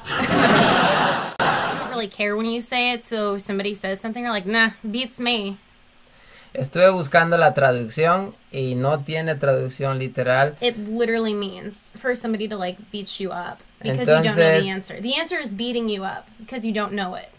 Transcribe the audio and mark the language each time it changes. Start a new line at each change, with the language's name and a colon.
English: I don't really care when you say it, so if somebody says something, you're like, nah, beats me.
Spanish: Estuve buscando la traducción y no tiene traducción literal.
English: It literally means for somebody to, like, beat you up because entonces, you don't know the answer. The answer is beating you up because you don't know it.